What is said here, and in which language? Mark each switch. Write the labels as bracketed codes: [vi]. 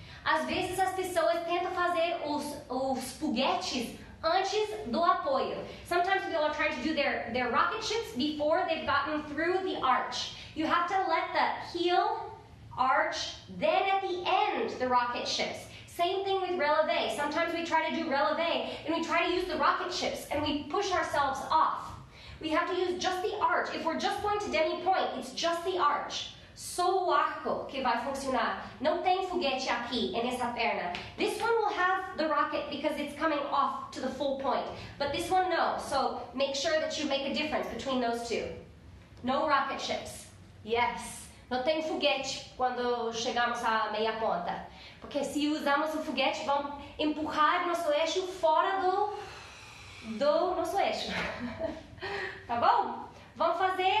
[pt] Às vezes as pessoas tentam fazer os foguetes antes do apoio. [en] Sometimes people are trying to do their rocket ships before they've gotten through the arch. You have to let the heel arch, then at the end the rocket ships. Same thing with relevé. Sometimes we try to do relevé and we try to use the rocket ships and we push ourselves off. We have to use just the arch. If we're just going to demi-point, it's just the arch. [pt] Só o arco que vai funcionar. Não tem foguete aqui, em essa perna. [en] This one will have the rocket because it's coming off to the full point. But this one, no. So make sure that you make a difference between those two. No rocket ships. Yes. [pt] Não tem foguete quando chegamos à meia ponta. Porque se usamos o foguete, vamos empurrar nosso eixo fora do nosso eixo. Tá bom? Vamos fazer.